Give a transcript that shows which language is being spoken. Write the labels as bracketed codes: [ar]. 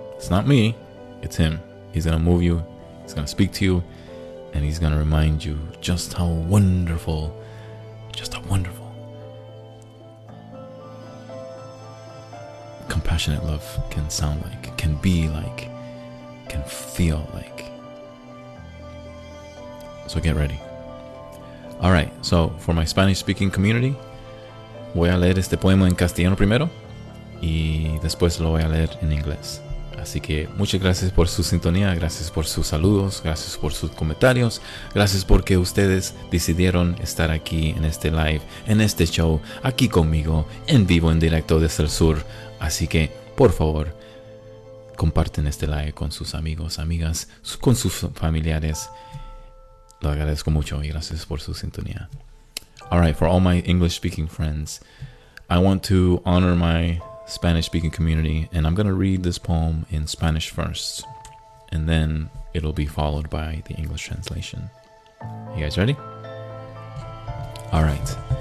[en] It's not me, it's him. He's going to move you, he's going to speak to you, and he's going to remind you just how wonderful compassionate love can sound like, can be like, can feel like. So get ready. Alright, so for my Spanish-speaking community, [es] voy a leer este poema en castellano primero, y después lo voy a leer en inglés. Así que muchas gracias por su sintonía, gracias por sus saludos, gracias por sus comentarios, gracias porque ustedes decidieron estar aquí en este live, en este show, aquí conmigo, en vivo, en directo desde el sur. Así que, por favor, comparten este live con sus amigos, amigas, con sus familiares. Lo agradezco mucho y gracias por su sintonía. [en] All right, for all my English-speaking friends, I want to honor my Spanish-speaking community, and I'm going to read this poem in Spanish first, and then it'll be followed by the English translation. You guys ready? All right.